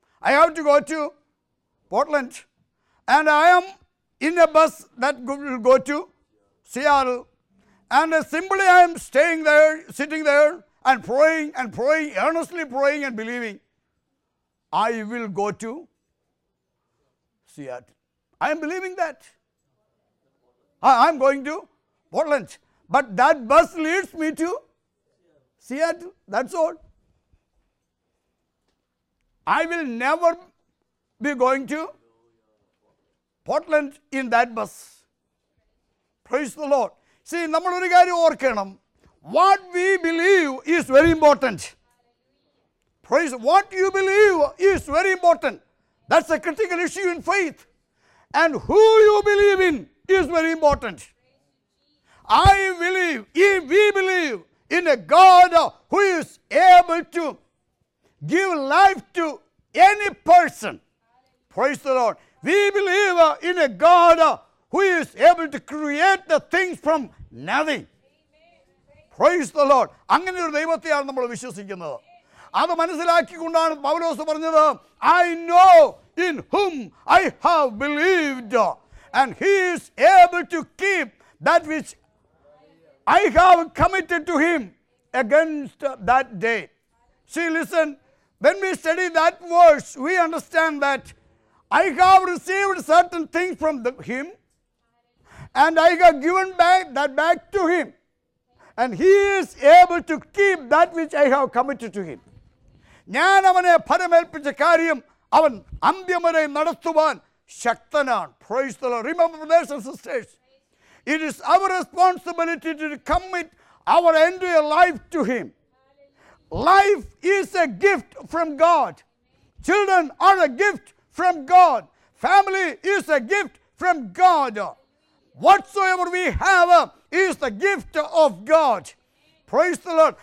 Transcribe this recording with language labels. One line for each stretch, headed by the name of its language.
English: I have to go to Portland and I am in a bus that will go to Seattle and simply I am staying there, sitting there and praying and praying earnestly praying and believing I will go to Seattle. I am believing that I am going to Portland. But that bus leads me to Seattle. That's all. I will never be going to Portland in that bus. Praise the Lord. See,
Malayalam: nammal oru kaari orkanam.
English: What we believe is very important. Praise. What you believe is very important. That's a critical issue in faith. And who you believe in is very important. I believe, if we believe in a God who is able to give life to any person, praise the Lord. We believe in a God who is able to create the things from nothing. Praise the Lord.
Malayalam: അങ്ങനെ ഒരു ദൈവത്തെയാണ് നമ്മൾ വിശ്വസിക്കുന്നത്. അത് മനസ്സിലാക്കിക്കൊണ്ടാണ് പൗലോസ് പറഞ്ഞത്,
English: I know in whom I have believed and he is able to keep that which I have committed to him against that day. See, listen, when we study that verse, we understand that I have received certain things from him and I have given back that back to him and he is able to keep that which I have committed to him.
Malayalam: ഞാൻ അവനെ ഫലമേൽപ്പിച്ച കാര്യം അവൻ അന്ത്യം വരെ നടത്തുവാൻ ശക്തനാണ്.
English: Praise the Lord. Remember, brothers and sisters, it is our responsibility to commit our entire life to him. Life is a gift from God. Children are a gift from God. Family is a gift from God. Whatsoever we have is the gift of God. Praise the Lord.